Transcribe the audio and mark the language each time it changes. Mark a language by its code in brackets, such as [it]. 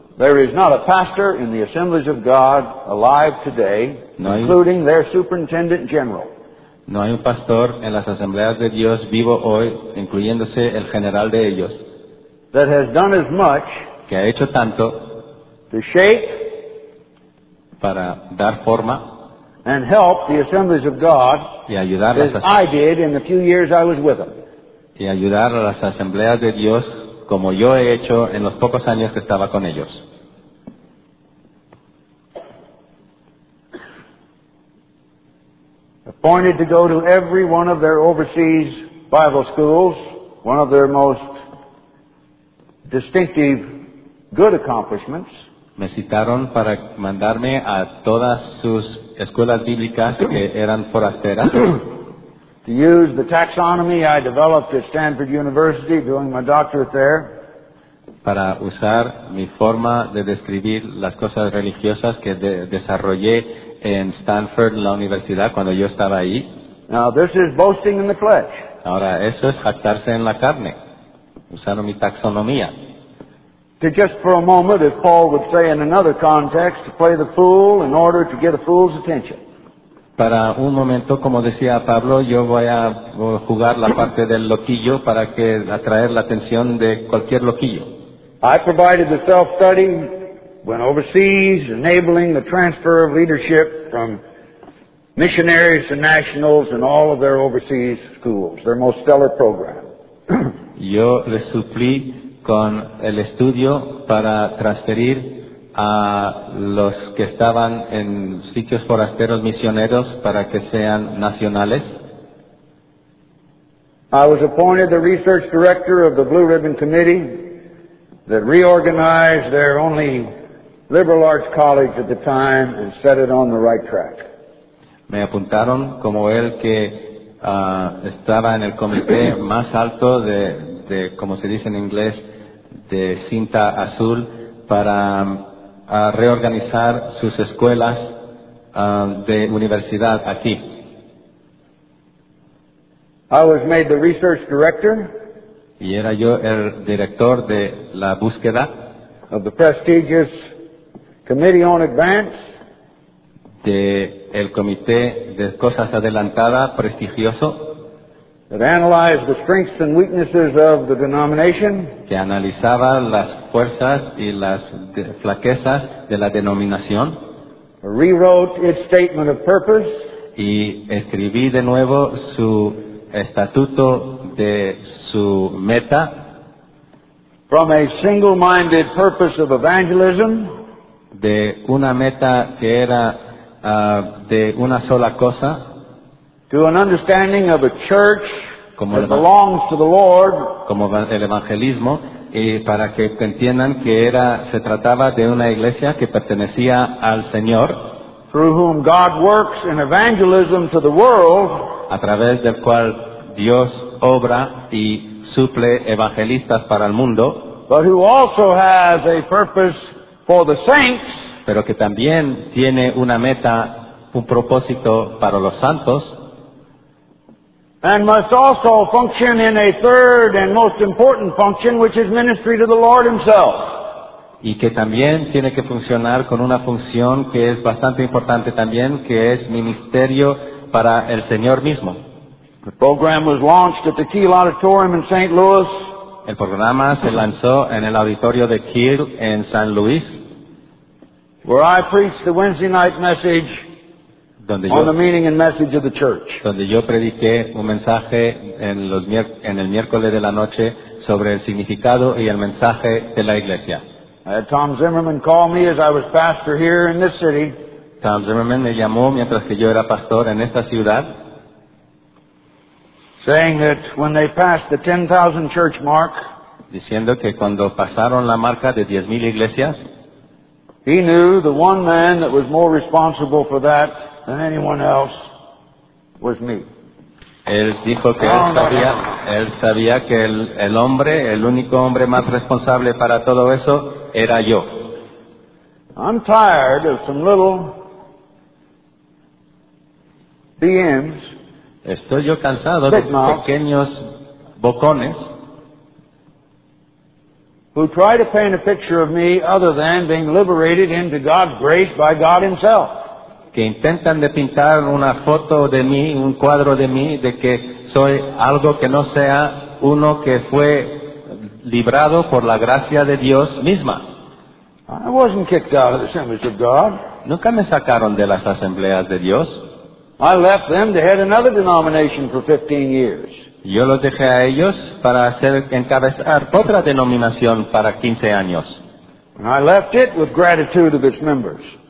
[en] There is not a pastor in the assemblies of God alive today, including their superintendent general. [es] No hay un pastor en las asambleas de Dios vivo hoy, incluyéndose el general de ellos, [en] that has done as much [es] que ha hecho tanto [en] to shape [es] para dar forma [en] and help the assemblies of God [es] y ayudar [en] as I did in the few years I was with them. [es] Y ayudar a las asambleas de Dios como yo he hecho en los pocos años que estaba con ellos. [en] Appointed to go to every one of their overseas Bible schools, one of their most distinctive good accomplishments. [es] Me citaron para mandarme a todas sus escuelas bíblicas que eran forasteras. [en] To use the taxonomy I developed at Stanford University doing my doctorate there. [es] Para usar mi forma de describir las cosas religiosas que desarrollé en Stanford, en la universidad, cuando yo estaba ahí. [en] Now, this is boasting in the flesh. [es] Ahora, eso es jactarse en la carne, usando mi taxonomía. [en] To just for a moment, as Paul would say in another context, to play the fool in order to get a fool's attention. [es] Para un momento, como decía Pablo, yo voy a jugar la parte del loquillo para que atraer la atención de cualquier loquillo. [en] I provided the self-study, went overseas, enabling the transfer of leadership from missionaries to nationals in all of their overseas schools, their most stellar program. [es] Yo les suplí con el estudio para transferir a los que estaban en sitios forasteros misioneros para que sean nacionales. [en] I was appointed the research director of the Blue Ribbon Committee that reorganized their only liberal arts college at the time and set it on the right track. [es] Me apuntaron como el que estaba en el comité más alto de como se dice en inglés, de cinta azul para a reorganizar sus escuelas de universidad aquí. [en] I was made the research director. [es] Y era yo el director de la búsqueda [en] of the prestigious Committee on Advance. [es] De el comité de cosas adelantadas prestigioso. [en] That analyzed the strengths and weaknesses of the denomination. [es] Que analizaba las fuerzas y las flaquezas de la denominación. [en] Rewrote its statement of purpose. [es] Y escribí de nuevo su estatuto de su meta. [en] From a single-minded purpose of evangelism. [es] De una meta que era de una sola cosa. [en] To an understanding of a church that belongs to the Lord. [es] Como el evangelismo, y para que entiendan que era, se trataba de una iglesia que pertenecía al Señor. [en] Through whom God works in evangelism to the world. [es] A través del cual Dios obra y suple evangelistas para el mundo. [en] But who also has a purpose for the saints. [es] Pero que también tiene una meta, un propósito para los santos. [en] And must also function in a third and most important function, which is ministry to the Lord Himself. [es] Y que también tiene que funcionar con una función que es bastante importante también, que es ministerio para el Señor mismo. [en] The program was launched at the Kiel Auditorium in St. Louis. [es] El programa se lanzó en el auditorio de Kiel en San Luis. [en] Where I preached the Wednesday night message. [es] Donde [en] on the meaning and message of the church. [es] Donde yo prediqué un mensaje en el miércoles de la noche sobre el significado y el mensaje de la iglesia. [en] I had Tom Zimmerman call me as I was pastor here in this city. [es] Tom Zimmerman me llamó mientras que yo era pastor en esta ciudad. [en] saying that when they passed the 10,000 church mark, [es] diciendo que cuando pasaron la marca de 10,000 iglesias, [en] he knew the one man that was more responsible for that than anyone else was me. [es] Él dijo que él sabía que el hombre, el único hombre más responsable para todo eso, era yo. [en] I'm tired of some little BMs. [es] Estoy yo cansado de pequeños bocones. [en] Who try to paint a picture of me other than being liberated into God's grace by God Himself. [es] Que intentan de pintar una foto de mí, un cuadro de mí, de que soy algo que no sea uno que fue librado por la gracia de Dios misma. [en] I wasn't kicked out of the assemblies of God. [es] Nunca me sacaron de las asambleas de Dios. [en] I left them to head another denomination for 15 years. [es] Yo los dejé a ellos para hacer encabezar otra denominación para 15 años. [en] And I left it with gratitude of its members.